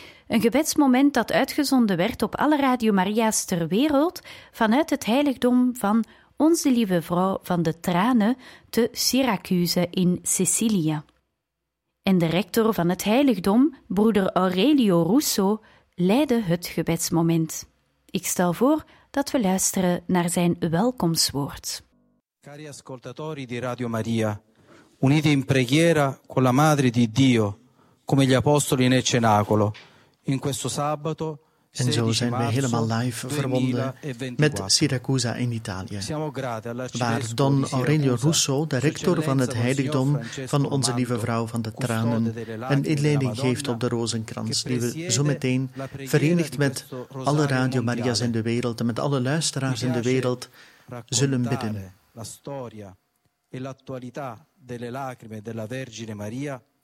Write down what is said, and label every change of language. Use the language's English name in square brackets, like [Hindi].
[Dutch] Een gebedsmoment dat uitgezonden werd op alle Radio Maria's ter wereld vanuit het heiligdom van Onze Lieve Vrouw van de Tranen te Syracuse in Sicilië. En de rector van het heiligdom, broeder Aurelio Russo, leidde het gebedsmoment. Ik stel voor dat we luisteren naar zijn welkomstwoord. [Italian] Cari ascoltatori di Radio Maria, uniti in preghiera con la Madre di Dio, come gli apostoli nel cenacolo, in questo sabato 16 marzo 2024. [Dutch] En zo zijn we helemaal live verbonden met Siracusa in Italië, waar Don Aurelio Russo, de rector van het heiligdom van Onze Lieve Vrouw van de Tranen, een inleiding geeft op de rozenkrans, die we zo meteen, verenigd met alle Radio Maria's in de wereld en met alle luisteraars in de wereld, zullen bidden. [Italian] La storia e l'attualità delle lacrime della Vergine Maria.